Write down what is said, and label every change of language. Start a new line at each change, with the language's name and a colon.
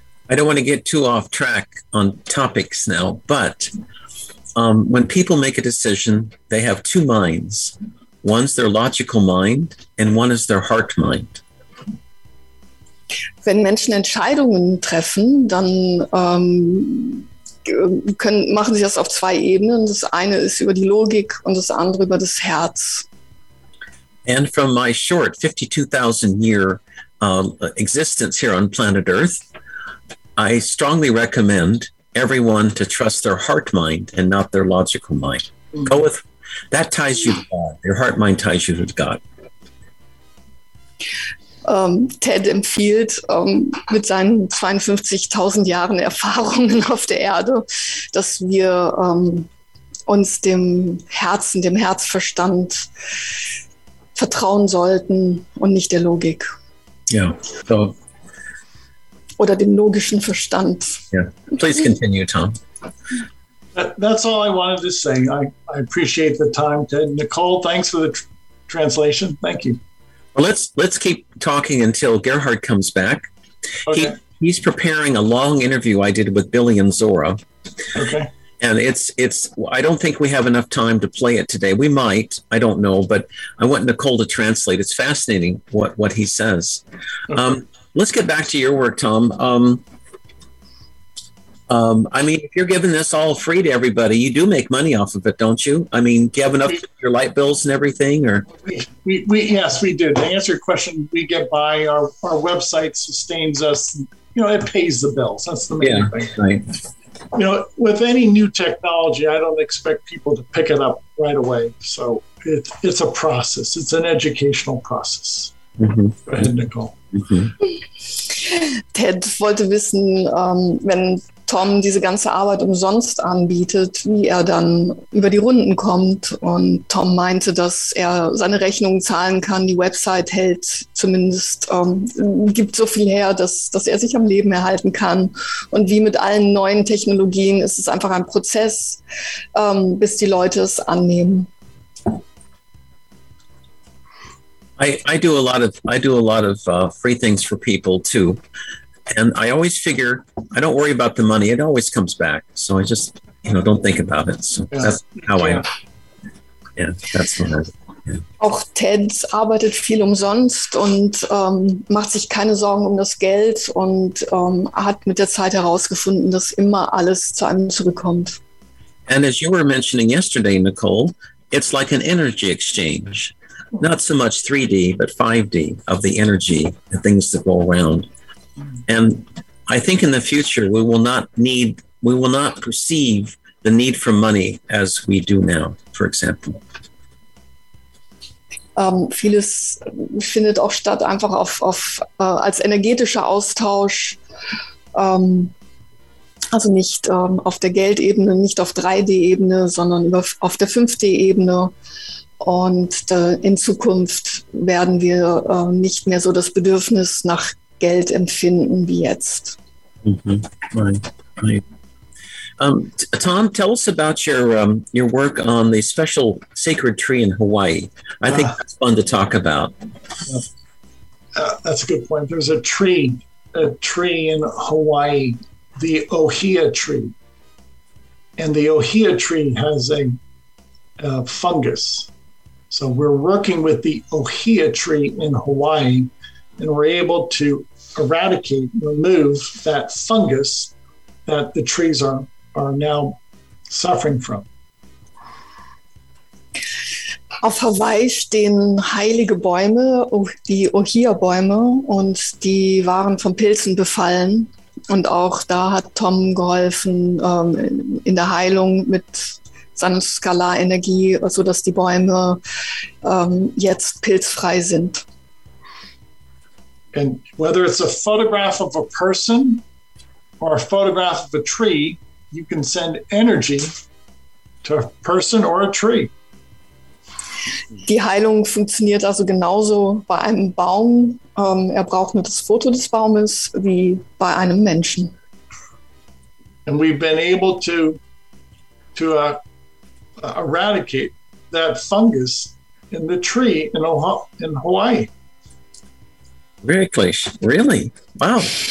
English: I don't want to get too off track on topics now, but when people make a decision, they have two minds. One's their logical mind and one is their heart mind.
German: Wenn Menschen Entscheidungen treffen, dann machen sie das auf zwei Ebenen. Das eine ist über die Logik und das andere über das Herz.
English: And from my short 52,000 year existence here on planet Earth, I strongly recommend everyone to trust their heart mind and not their logical mind. Go with that, ties you to God. Your heart mind ties you to God.
German: Ted empfiehlt mit seinen 52,000 Jahren Erfahrungen auf der Erde, dass wir uns dem Herzen, dem Herzverstand vertrauen sollten und nicht der Logik. Ja, so. Oder dem logischen Verstand.
English: Yeah. Please continue, Tom. That's all I wanted to say. I appreciate the time, Ted. Nicole, thanks for the translation. Thank you. Well, let's keep talking until Gerhard comes back. Okay. He's preparing a long interview I did with Billy and Zora. Okay. And it's I don't think we have enough time to play it today. We might, I don't know, but I want Nicole to translate. It's fascinating what he says. Okay. Let's get back to your work, Tom. I mean, if you're giving this all free to everybody, you do make money off of it, don't you? I mean, do you have enough to pay your light bills and everything? Or yes, we do. To answer your question, we get by. Our website sustains us. You know, it pays the bills. That's the main thing. Right. You know, with any new technology, I don't expect people to pick it up right away. So it's a process. It's an educational process. Mm-hmm. Go ahead, Nicole. Mhm.
German: Ted wollte wissen, wenn Tom diese ganze Arbeit umsonst anbietet, wie er dann über die Runden kommt. Und Tom meinte, dass er seine Rechnungen zahlen kann, die Website hält zumindest, gibt so viel her, dass er sich am Leben erhalten kann. Und wie mit allen neuen Technologien ist es einfach ein Prozess, bis die Leute es annehmen.
English: I do a lot of free things for people too, and I always figure I don't worry about the money; it always comes back. So I just, you know, don't think about it. So yeah. That's how I. Yeah, that's what I. Yeah.
German: Auch Ted arbeitet viel umsonst und macht sich keine Sorgen um das Geld und hat mit der Zeit herausgefunden, dass immer alles zu einem zurückkommt.
English: And as you were mentioning yesterday, Nicole, it's like an energy exchange. Not so much 3D, but 5D of the energy, the things that go around. And I think in the future, we will not perceive the need for money as we do now, for example.
German: Vieles findet auch statt einfach auf als energetischer Austausch, also nicht auf der Geldebene, nicht auf 3D-Ebene, sondern auf der 5D-Ebene. Und in Zukunft werden wir nicht mehr so das Bedürfnis nach Geld empfinden wie jetzt. Mm-hmm.
English: Tom, tell us about your work on the special sacred tree in Hawaii. I think that's fun to talk about. That's a good point. There's a tree in Hawaii, the ohia tree. And the ohia tree has a fungus. So we're working with the ohia tree in Hawaii, and we're able to eradicate, remove that fungus that the trees are now suffering from.
German: Auf Hawaii stehen heilige Bäume, die Ohia-Bäume, und die waren von Pilzen befallen. Und auch da hat Tom geholfen in der Heilung mit seiner Skalarenergie, sodass die Bäume jetzt pilzfrei sind.
English: And whether it's a photograph of a person or a photograph of a tree, you can send energy to a person or a tree.
German: Die Heilung funktioniert also genauso bei einem Baum. Braucht nur das Foto des Baumes wie bei einem Menschen.
English: And we've been able to eradicate that fungus in the tree in Hawaii. Very close. Really? Wow.